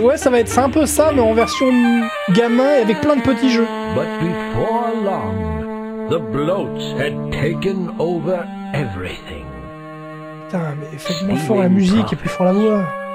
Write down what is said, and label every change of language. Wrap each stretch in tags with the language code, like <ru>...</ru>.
<fr>Ouais, ça va être, c'est un peu ça, mais en version gamin et avec plein de petits jeux.</fr> <en>But before long, the bloats had taken over everything.</en> <fr>Putain, mais faites moins fort la musique et plus fort la voix.</fr>